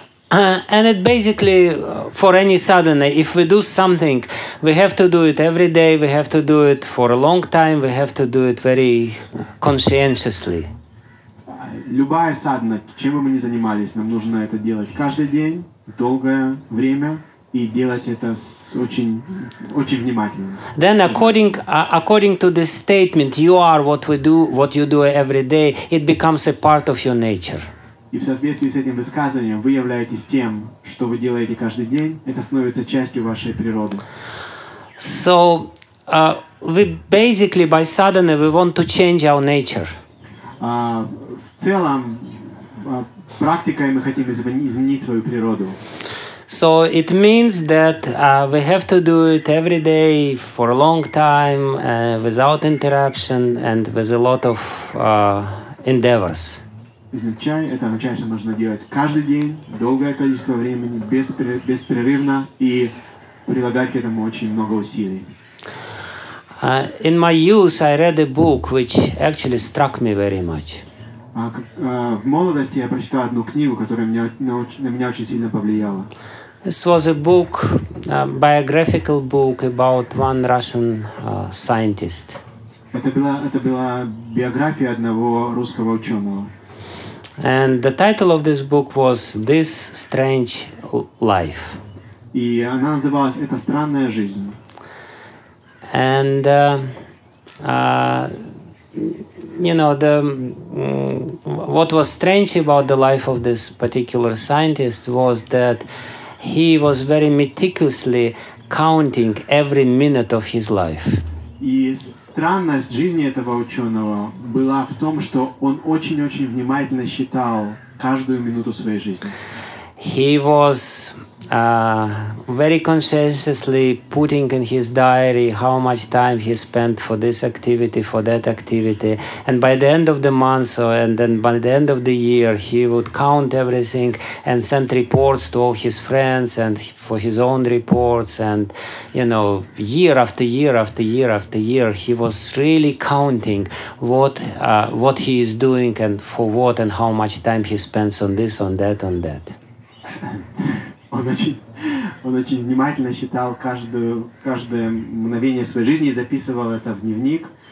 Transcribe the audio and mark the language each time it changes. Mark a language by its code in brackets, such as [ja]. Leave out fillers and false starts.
[en] And it basically for any sadhana, if we do something, we have to do it every day, we have to do it for a long time, we have to do it very conscientiously. [ru] Любая садхана, чем бы мы ни занимались, нам нужно это делать каждый день, долгое время, и делать это с очень, очень внимательно. [en] Then according to this statement, you are what you do every day, it becomes a part of your nature. [ru] И в соответствии с этим высказыванием, вы являетесь тем, что вы делаете каждый день, это становится частью вашей природы. [en] So, we basically, by sadhana, we want to change our nature. [ru] В целом, практикой мы хотим изменить свою природу. [en] So it means that we have to do it every day for a long time, without interruption and with a lot of endeavors. [ru] Это означает, что нужно делать каждый день, долгое количество времени, беспрерывно и прилагать к этому очень много усилий. [en] In my youth, I read a book which actually struck me very much. [ru] В молодости я прочитал одну книгу, которая на меня очень сильно повлияла. [en] This was a book, a biographical book about one Russian scientist. [ru] Это была биография одного русского ученого. [en] And the title of this book was This Strange Life. [ru] И она называлась «Это странная жизнь». [en] And you know, the what was strange about the life of this particular scientist was that he was very meticulously counting every minute of his life. [ru] И странность жизни этого ученого была в том, что он очень-очень внимательно считал каждую минуту своей жизни. [en] He was very conscientiously putting in his diary how much time he spent for this activity, for that activity. And by the end of the month, or and then by the end of the year, he would count everything and send reports to all his friends and for his own reports. And, you know, year after year after year after year, he was really counting what he is doing and for what and how much time he spends on this, on that, on that. [ru] Он очень внимательно считал каждое мгновение своей жизни и записывал это в дневник.